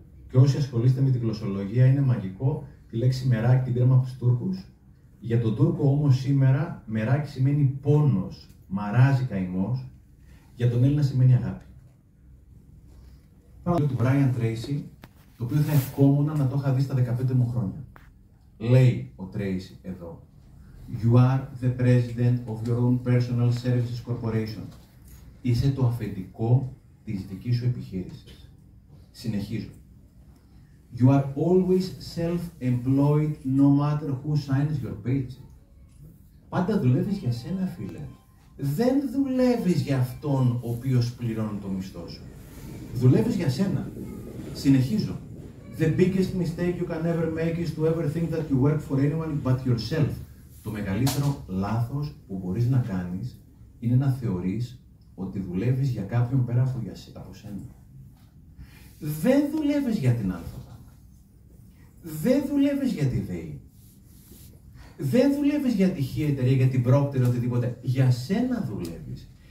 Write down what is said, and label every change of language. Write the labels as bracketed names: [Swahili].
[Greek] Και όσοι ασχολείστε με τη γλωσσολογία, είναι μαγικό τη λέξη μεράκι την τρέμα από τους Τούρκους. Για τον Τούρκο όμως σήμερα, μεράκι σημαίνει πόνος, μαράζει, καημός. Για τον Έλληνα σημαίνει αγάπη. Λέω του Brian Tracy, το οποίο θα ευχόμουν να το είχα δει στα 15 μου χρόνια. Λέει ο Tracy εδώ, [English] «You are the president of your own personal services corporation. [Greek] Είσαι το αφεντικό της δικής σου επιχείρησης». Συνεχίζω. [English] «You are always self-employed no matter who signs your paycheck». [Greek] Πάντα δουλεύεις για σένα, φίλε. Δεν δουλεύεις για αυτόν ο οποίος πληρώνει το μισθό σου. Δουλεύεις για σένα. Συνεχίζω. [English] «The biggest mistake you can ever make is to ever think that you work for anyone but yourself». [Greek] Το μεγαλύτερο λάθος που μπορείς να κάνεις είναι να θεωρείς ότι δουλεύεις για κάποιον πέρα από σένα. Δεν δουλεύεις για την άνθρωπα. Δεν δουλεύεις για τη ΔΕΗ. Δεν δουλεύεις για τη ΧΙΕ εταιρεία, για την Πρόκτερ, οτιδήποτε. Για σένα δουλεύεις.